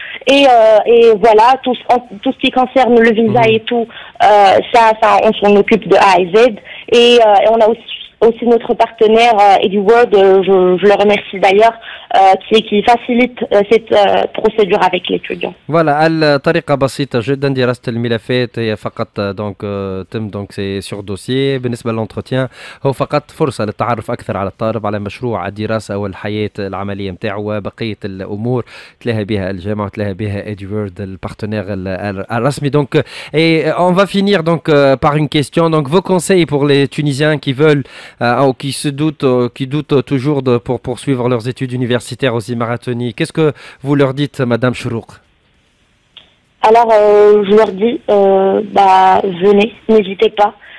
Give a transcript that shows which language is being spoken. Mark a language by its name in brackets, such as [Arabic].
[French] Et voilà, tout ce qui concerne le visa et tout, ça on s'en occupe de A à Z. Et on a aussi notre partenaire EduWorld, je le remercie d'ailleurs, qui facilite cette procédure avec l'étudiant. [Arabic] Voilà, الطريقة بسيطة جدا، دراسة الملفات هي فقط donc تم donc [French] c'est sur dossier. [Arabic] بالنسبة للانتروتيان هو فقط فرصة للتعرف أكثر على الطالب، على مشروع الدراسة أو الحياة العملية متاعه، وبقية الأمور تلاها بها الجامعة وتلاها بها EduWorld البارتنير الرسمي. [French] donc et on va finir donc par une question. donc vos conseils pour les Tunisiens qui veulent ou qui doutent toujours pour poursuivre leurs études universitaires aux Émirats Unis, qu'est-ce que vous leur dites, Madame Chourouk? Alors, je leur dis, venez, n'hésitez pas.